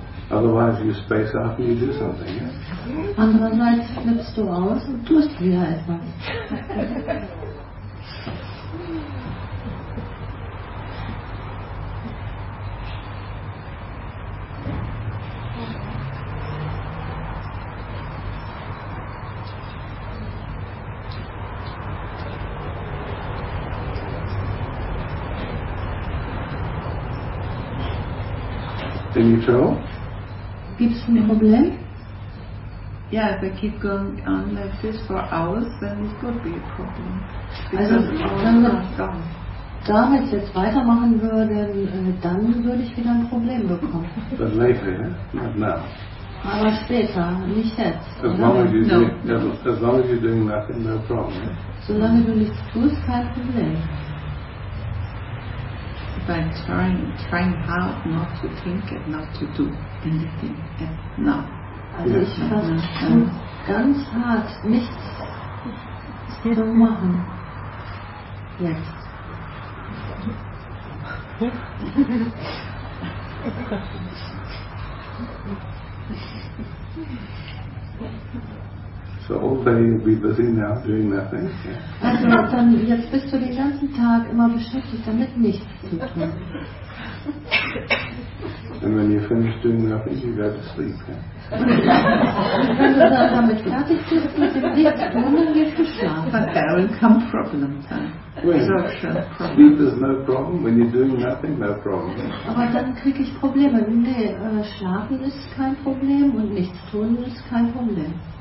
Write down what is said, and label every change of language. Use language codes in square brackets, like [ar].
[en] Otherwise you space out and you do something, yeah? [de] Andererseits flippst du aus und tust wieder etwas. [en] Any trouble? [de] Gibt's ein Problem? [en] Yeah, if I keep going on like this for hours, then it could be a problem. [de] Also, wenn ich jetzt weitermachen würde, dann würde ich wieder ein Problem bekommen. [en] But later, yeah? Not now. [de] Aber später, nicht jetzt. [en] As long as you're doing nothing, no problem. Yeah? [de] Solange du nichts tust, kein Problem. [en] By trying hard not to think and not to do anything and now. [de] Also ich versuche ganz hart nichts zu machen. Jetzt. [en] So all day you'll be busy now doing nothing. [de] Also dann jetzt bist du den ganzen Tag immer beschäftigt, damit nichts zu tun. [en] And when you finish doing nothing, you go to sleep. [de] Wenn du dann damit fertig bist, mit dem nichts tun, dann gehst du schlafen. [en] But there will come problems. Sleep is no problem. When you're doing nothing, no problem. [de] Aber dann kriege ich Probleme. Nee, schlafen ist kein Problem und nichts tun ist kein Problem.